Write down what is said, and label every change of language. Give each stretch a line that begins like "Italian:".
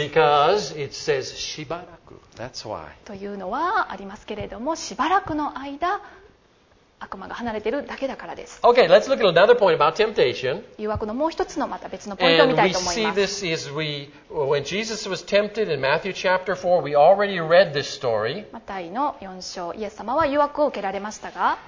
English: Because it says
Japanese: しばらく。
English: That's why.
Japanese: というのはありますけれども、しばらくの間、悪魔が離れているだけだからです。
English: Okay, let's look at another point about temptation.
Japanese: 誘惑のもう一つのまた別のポイントを見たいと思います。
English: And we see this is we when Jesus was tempted in Matthew chapter 4, we already read this story.
Japanese: マタイの4章、イエス様は誘惑を受けられましたが、